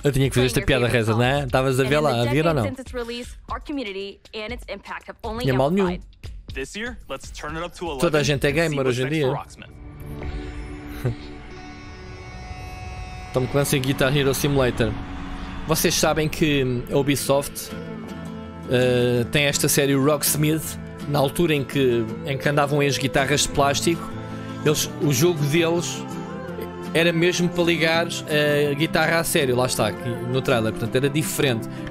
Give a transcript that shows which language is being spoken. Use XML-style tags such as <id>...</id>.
<pt>Eu tinha que fazer esta piada, Reza, né? Estavas a ver lá, a vir ou não?</pt> <en>Since its release, our community and its impact have only amplified. This year, let's turn it up to 11.</en> <pt>Toda a gente é gamer hoje em dia. Tom Clancy Guitar Hero Simulator. Vocês sabem que a Ubisoft tem esta série Rocksmith. Na altura em que andavam as guitarras de plástico, o jogo deles era mesmo para ligar a guitarra a sério, lá está, no trailer. Portanto, era diferente.</pt>